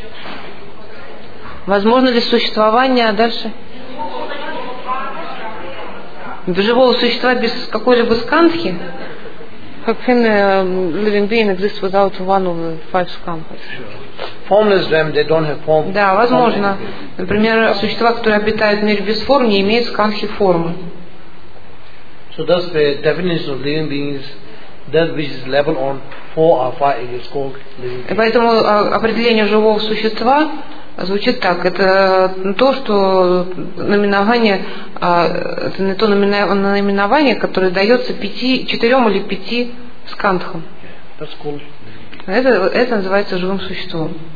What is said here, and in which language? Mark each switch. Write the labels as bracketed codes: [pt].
[ru] Что? Возможно ли существование дальше? Живого существа без какой-либо сканхи? [en] How can a living being exist without one of the five skandhas? Formless them, they don't have form. [ru] Да, возможно. Например, существа, которые обитают в мире без форм, не имеют сканхи формы. [en] So that's the definition of living beings. That which is level on four or five is called living. [ru] И поэтому определение живого существа звучит так: это то, что наименование, это не то наименование, которое дается четырем или пяти скандхам. [en] That's called living being. [ru] Это называется живым существом.